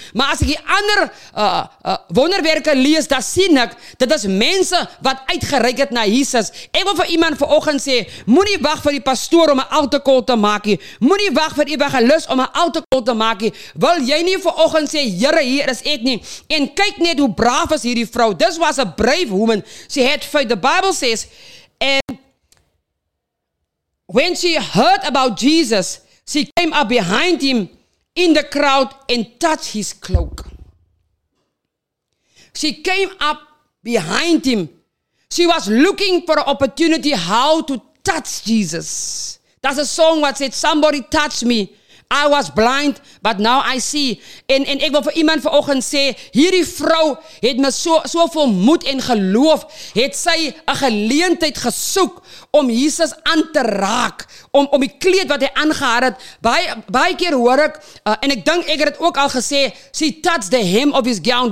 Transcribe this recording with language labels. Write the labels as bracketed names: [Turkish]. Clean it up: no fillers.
[Afrikaans] Maar as ek die ander wonderwerke lees, dan sien ek, dit is mense wat uitgereik het na Jesus. Ek wil vir iemand vanoggend sê, moenie wag vir die pastoor om 'n altar call te maak nie. Moenie wag vir evangelis om 'n altar call te maak nie. Wil jy nie vanoggend sê, Here, hier is ek nie. En kyk net hoe braaf is hierdie vrou. [English] This was a brave woman. She had faith. The Bible says, and when she heard about Jesus, she came up behind him in the crowd and touched his cloak. She came up behind him. She was looking for an opportunity how to touch Jesus. That's a song that said, somebody touched me. I was blind, but now I see. [Afrikaans] En ek wil vir iemand vanoggend sê, hierdie vrou het met soveel moed en geloof, het sy 'n geleentheid gesoek om Jesus aan te raak, om die kleed wat hy aangehad het. Baie keer hoor ek, en ek dink ek het ook al gesê, [English] she touched the hem of his gown.